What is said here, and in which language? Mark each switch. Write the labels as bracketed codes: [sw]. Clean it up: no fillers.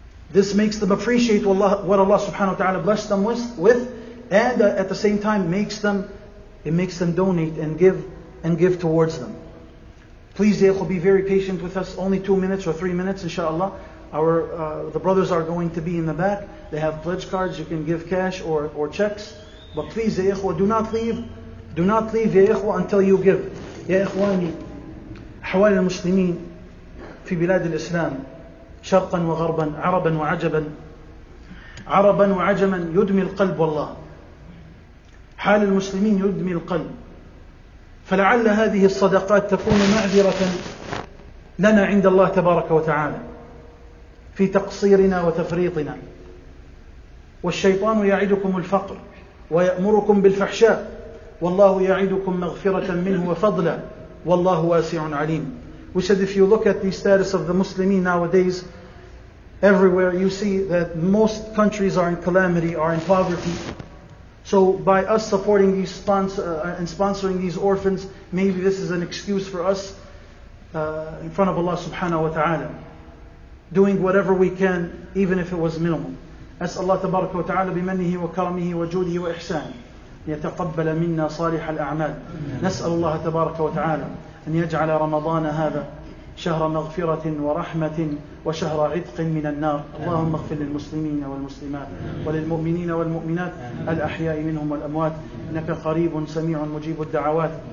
[en] This makes them appreciate what Allah Subhanahu Wa Ta'ala blessed them with, and at the same time makes them donate and give towards them. Please, [ar] ya ikhwah, [en] be very patient with us. Only 2 minutes or 3 minutes, inshallah. The brothers are going to be in the back. They have pledge cards. You can give cash or checks. But please, [ar] ya ikhwah, [en] do not leave. Do not leave, [ar] ya ikhwah, [en] until you give. [ar] Ya ikhwani, حوال المسلمين في بلاد الإسلام شرقا وغربا عربا وعجبا عربا وعجما يدمي القلب والله. حال المسلمين يدمي القلب. فلعل هذه الصدقات تكون معذرة لنا عند الله تبارك وتعالى في تقصيرنا وتفريطنا. والشيطان يعدكم الفقر ويأمركم بالفحشاء والله يعدكم مغفرة منه وفضلا والله واسع عليم. [en] We said if you look at the status of the Muslims nowadays, everywhere you see that most countries are in calamity, are in poverty. So by us supporting these sponsoring these orphans, maybe this is an excuse for us in front of Allah subhanahu wa ta'ala, doing whatever we can, even if it was minimum. [ar] أسأل الله تبارك وتعالى بمنه وكرمه وجوده وإحسانه أن يتقبل منا صالح الأعمال. نسأل الله تبارك وتعالى أن يجعل رمضان هذا شهر مغفرة ورحمة وشهر عتق من النار. اللهم اغفر للمسلمين والمسلمات وللمؤمنين والمؤمنات الأحياء منهم والأموات. إنك قريب سميع مجيب الدعوات.